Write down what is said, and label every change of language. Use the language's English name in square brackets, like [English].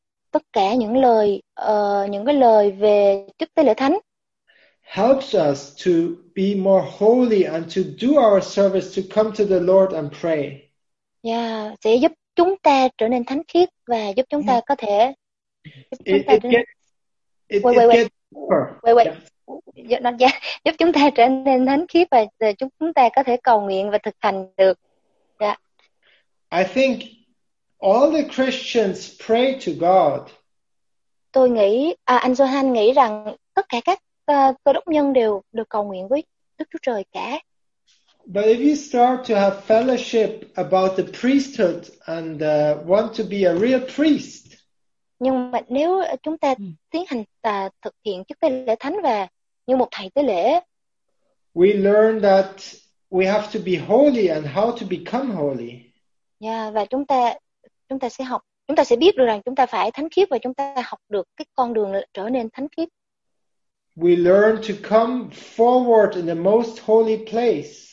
[Vietnamese] Tất cả những cái lời về chức tế lễ thánh [English] helps us to be more holy and to do our service, to come to the Lord and pray. [Vietnamese] Yeah, sẽ giúp chúng ta trở nên thánh khiết và giúp chúng ta có thể giúp chúng ta trở nên thánh khiết và chúng ta có thể cầu nguyện và thực hành được. Yeah. [English] I think all the Christians pray to God. [Vietnamese] Tôi nghĩ anh Johan nghĩ rằng tất cả các Cơ đốc nhân đều được cầu nguyện với Đức Chúa Trời cả. [English] But if you start to have fellowship about the priesthood and want to be a real priest. [Vietnamese] Nhưng mà nếu chúng ta tiến hành thực hiện chức tế lễ thánh và như một thầy tế lễ, [English] we learn that we have to be holy and how to become holy. [Vietnamese] Yeah, và chúng ta sẽ biết được rằng chúng ta phải thánh khiết và chúng ta học được cái con đường trở nên thánh khiết. [English] We learn to come forward in the most holy place.